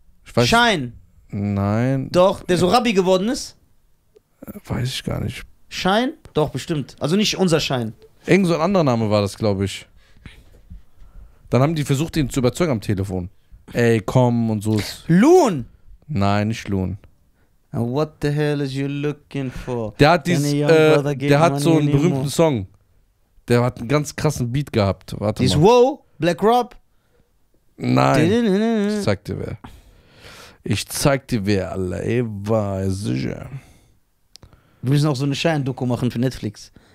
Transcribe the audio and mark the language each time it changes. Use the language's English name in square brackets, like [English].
[German] Ich weiß, Schein. Nein. Doch, der so Rabbi geworden ist. Weiß ich gar nicht. Schein? Doch, bestimmt. Also nicht unser Schein. Irgend so ein anderer Name war das, glaube ich. Dann haben die versucht, ihn zu überzeugen am Telefon. Ey, komm und so. Loon! Nein, nicht Loon. [English] What the hell is you looking for? [German] Der hat, der hat so einen berühmten Song. Der hat einen ganz krassen Beat gehabt. Warte mal. Ist Wow? Black Rob? Nein. Ich zeig dir wer, Alter. Ey, war sicher. Wir müssen auch so eine Schein-Doku machen für Netflix.